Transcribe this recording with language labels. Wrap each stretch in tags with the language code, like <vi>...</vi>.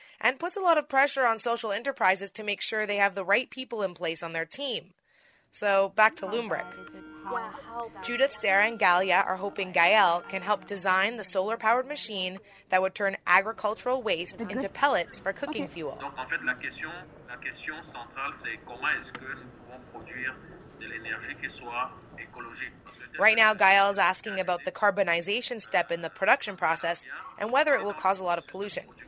<en>And puts a lot of pressure on social enterprises to make sure they have the right people in place on their team. So, back to Loombrick. Judith, Sarah, and Galia are hoping Gael can help design the solar-powered machine that would turn agricultural waste into pellets for cooking fuel.</en> <fr>Donc, en fait, la question centrale, c'est comment est-ce que nous pouvons produire de l'énergie qui soit écologique.</fr> <en>Right now, Gael is asking about the carbonization step in the production process and whether it will cause a lot of pollution.</en>